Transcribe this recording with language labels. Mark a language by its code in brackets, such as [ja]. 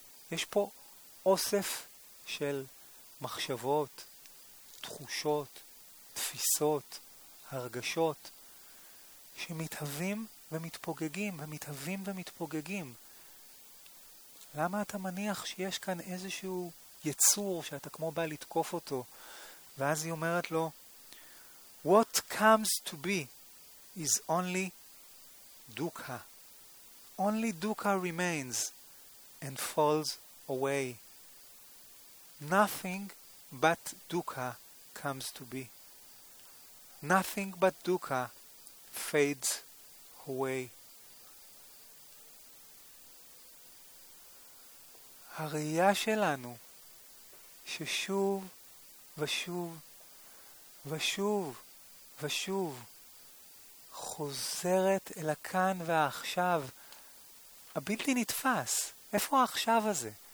[he] יש פה אוסף של מחשבות, תחושות, תפיסות, הרגשות, שמתהווים ומתפוגגים, ומתהווים ומתפוגגים. למה אתה מניח שיש כאן איזשהו יצור שאתה כמו בא לתקוף אותו? ואז היא אומרת לו, [en] What comes to be is only dukkha. Only dukkha remains and falls away. Nothing but dukkha comes to be. Nothing but dukkha fades away. [he] הראייה שלנו ששוב ושוב ושוב ושוב חוזרת אל הכאן והעכשיו, הבלתי נתפס. איפה העכשיו הזה?